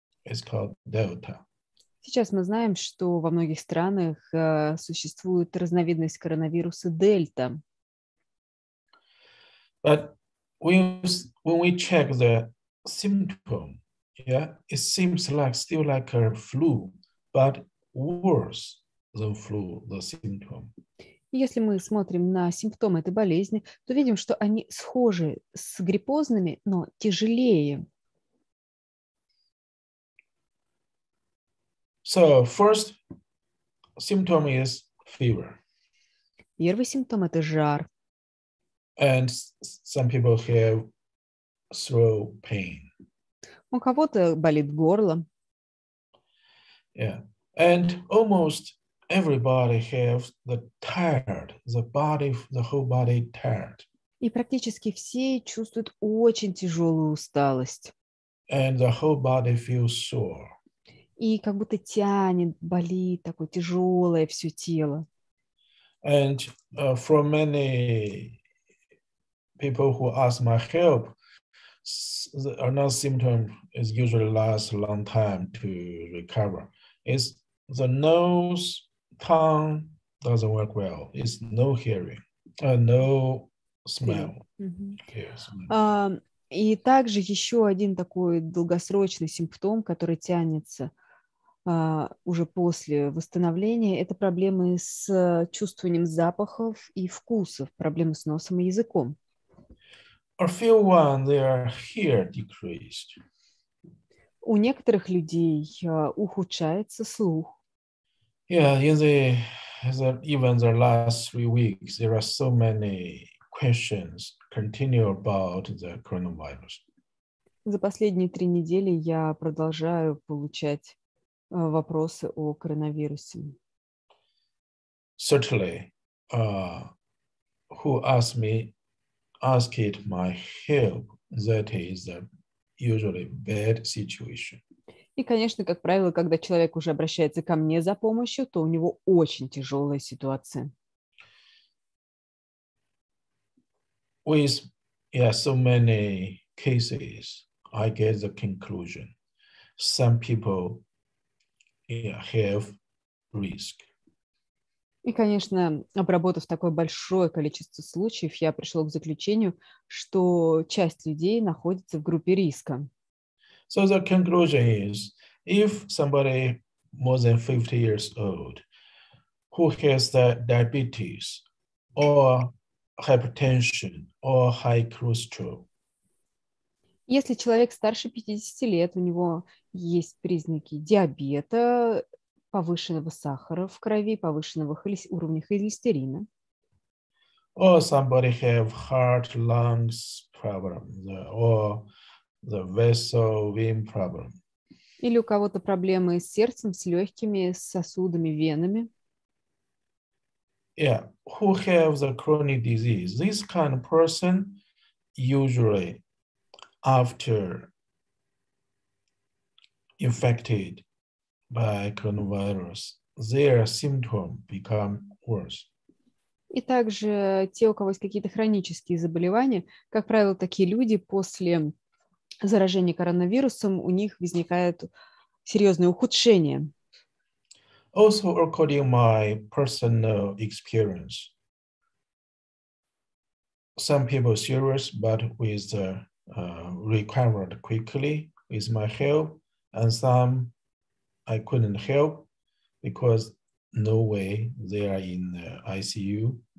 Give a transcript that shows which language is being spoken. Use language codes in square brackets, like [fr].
[en] It's called Delta. [ru] Сейчас мы знаем, что во многих странах существует разновидность коронавируса Дельта. [en] But when we check the symptom, yeah, it seems like still like a flu, but worse than flu, the symptom. [ru] Если мы смотрим на симптомы этой болезни, то видим, что они схожи с гриппозными, но тяжелее. [en] So first symptom is fever. [ru] Первый симптом – это жар. [en] And some people have throat pain. [ru] У кого-то болит горло. [en] Yeah, and almost everybody have the tired, the body, the whole body tired. [ru] И практически все чувствуют очень тяжелую усталость. [en] And the whole body feels sore. [ru] И как будто тянет, болит, такое тяжелое все тело. [en] And for many people who ask my help, another symptom is usually last long time to recover. It's the nose. Tongue doesn't work well. It's no hearing, no smell. [ru] И также еще один такой долгосрочный симптом, который тянется, уже после восстановления, это проблемы с чувствованием запахов и вкусов, проблемы с носом и языком. [en] Or feel one, they are here decreased. [ru] У некоторых людей ухудшается слух. [en] Yeah, in the even the last 3 weeks, there are so many questions continue about the coronavirus. [ru] За последние 3 недели я продолжаю получать вопросы о коронавирусе. [en] Certainly, who asked me? Ask it my help. That is a usually bad situation. [ru] И, конечно, как правило, когда человек уже обращается ко мне за помощью, то у него очень тяжелая ситуация. [en] With so many cases, I get the conclusion: some people have risk. [ru] И, конечно, обработав такое большое количество случаев, я пришел к заключению, что часть людей находится в группе риска. [en] So the conclusion is, if somebody more than 50 years old who has the diabetes or hypertension or high cholesterol. [ru] Если человек старше 50 лет, у него есть признаки диабета, повышенного сахара в крови, повышенного уровня холестерина. [en] Or somebody have heart lungs problem, or the vessel vein problem. [ru] Или у кого-то проблемы с сердцем, с легкими, с сосудами, венами. [en] Yeah, who have the chronic disease? This kind of person usually after infected by coronavirus, their symptoms become worse. [ru] И также те, у кого есть какие-то хронические заболевания, как правило, такие люди после заражения коронавирусом, у них возникает серьезное ухудшение. [en] Also, according my personal experience, some people serious, but with the recovered quickly with my help, and some I couldn't help because no way they are in the ICU.